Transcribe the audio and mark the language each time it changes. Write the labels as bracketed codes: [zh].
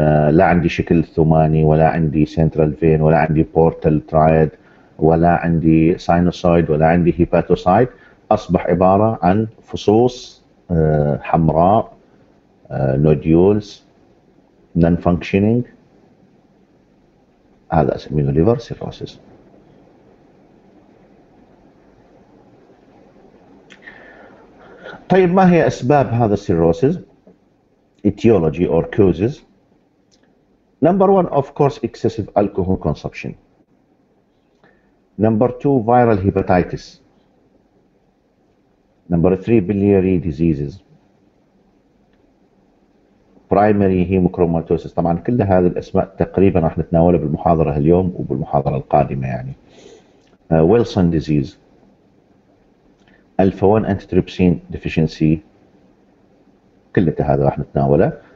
[ar] لا عندي شكل ثماني ولا عندي سنترال فين ولا عندي بورتال ترايد ولا عندي ساينوسايد ولا عندي هيباتوسايد، أصبح عبارة عن فصوص حمراء نوديولز نون فانكشنينج، هذا أسميه ليفر سيروسيس. طيب ما هي أسباب هذا السيروسيس؟ [en] etiology or causes. Number one of course excessive alcohol consumption. Number two viral hepatitis. Number three, biliary diseases. Primary hemochromatosis. [ar] طبعا كل هذه الأسماء تقريبا راح نتناولها بالمحاضرة اليوم وبالمحاضرة القادمة يعني. [en] Wilson disease. Alpha 1 antitrypsin deficiency. [ar] كل هذا راح نتناوله.